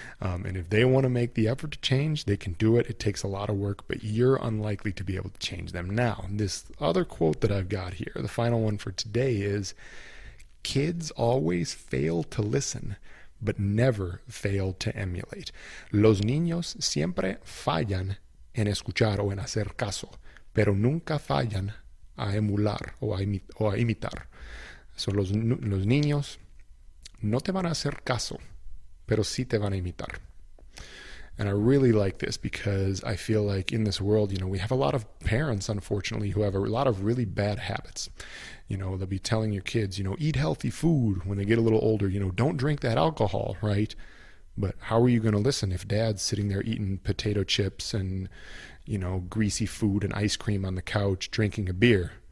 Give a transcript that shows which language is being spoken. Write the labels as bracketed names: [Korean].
[English] And if they want to make the effort to change, they can do it. It takes a lot of work, but you're unlikely to be able to change them. Now, this other quote that I've got here, the final one for today is, kids always fail to listen, but never fail to emulate. [Spanish] Los niños siempre fallan en escuchar o en hacer caso, pero nunca fallan a emular o a imitar. So los niños no te van a hacer caso, pero sí te van a imitar. [English] And I really like this because I feel like in this world, you know, we have a lot of parents, unfortunately, who have a lot of really bad habits. You know, they'll be telling your kids, you know, eat healthy food when they get a little older, you know, don't drink that alcohol, right? But how are you going to listen if dad's sitting there eating potato chips and, you know, greasy food and ice cream on the couch, drinking a beer?